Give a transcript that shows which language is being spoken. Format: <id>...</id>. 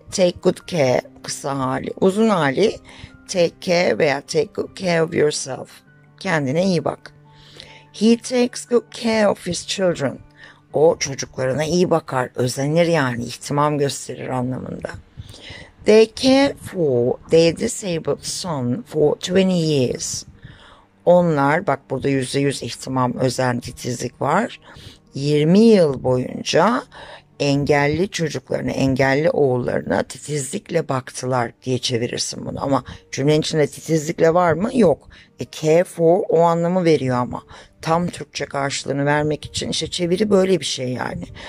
<en>Take good care,</en> <tr>kısa hali. Uzun hali.</tr> <en>Take care</en> <tr>veya</tr> <en>take good care of yourself.</en> <tr>Kendine iyi bak.</tr> <en>He takes good care of his children.</en> <tr>O çocuklarına iyi bakar, özenir yani, ihtimam gösterir anlamında.</tr> <en>They care for their disabled son for 20 years.</en> <tr>Onlar, bak burada %100 ihtimam, özen, titizlik var. 20 yıl boyunca engelli çocuklarına, engelli oğullarına titizlikle baktılar diye çevirirsin bunu. Ama cümlenin içinde titizlikle var mı? Yok. Care for o anlamı veriyor ama. Tam Türkçe karşılığını vermek için işte çeviri böyle bir şey yani.</tr>